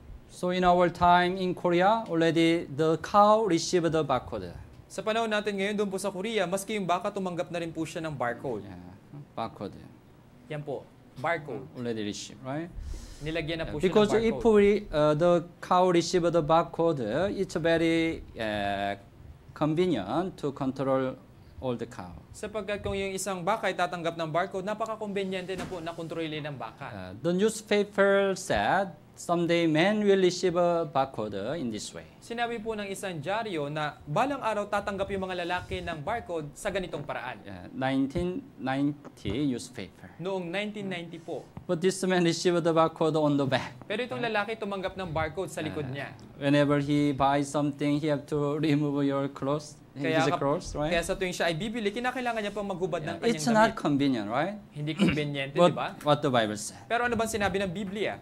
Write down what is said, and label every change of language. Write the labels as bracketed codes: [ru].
[en] So in our time in Korea, already the cow received the barcode. [tl] Sa panahon natin ngayon, doon po sa Korea, maski yung baka, tumanggap na rin po siya ng barcode. [en] Yeah. Barcode. [tl] Yan po, barcode. [en] Already received, right? [tl] Nilagyan na po siya ng barcode. [en] Because if the cow receive the barcode, it's very convenient to control all the cow. [tl] Sapagkat kung yung isang baka ay tatanggap ng barcode, napaka-convenient na po na kontrolin ng baka. [en] The newspaper said Someday, man will receive a barcode in this way. [tl] Sinabi po ng isang dyaryo na balang araw tatanggap yung mga lalaki ng barcode sa ganitong paraan. [en] 1990 newspaper. [tl] Noong 1990 po. [en] But this man received the barcode on the back. [tl] Pero itong lalaki tumanggap ng barcode sa likod niya. [en] Whenever he buys something, he have to remove your clothes. [tl] Kaya sa tuwing siya ay bibili, kinakailangan niya pang maghubad ng kanyang damit. [en] It's not convenient, right? [tl] Hindi convenient, di ba? [en] What the Bible says. [tl] Pero ano bang sinabi ng Biblia?